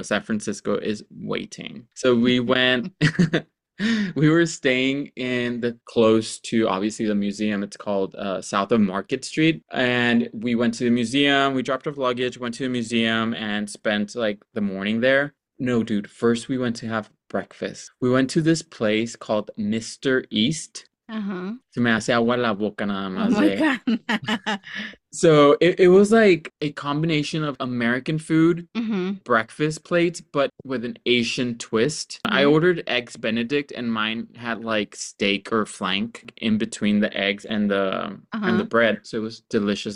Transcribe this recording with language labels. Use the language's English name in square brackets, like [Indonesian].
[English] San Francisco is waiting. So we went we were staying in the close to obviously the museum. It's called South of Market Street. And we went to the museum, we dropped off luggage, went to the museum, and spent like the morning there. No, dude, first we went to have breakfast. We went to this place called Mr. East. [Spanish] Se me hace agua la boca nada más de. [English] So it was like a combination of American food, breakfast plates, but with an Asian twist. I ordered eggs Benedict, and mine had like steak or flank in between the eggs and the bread. So it was delicious.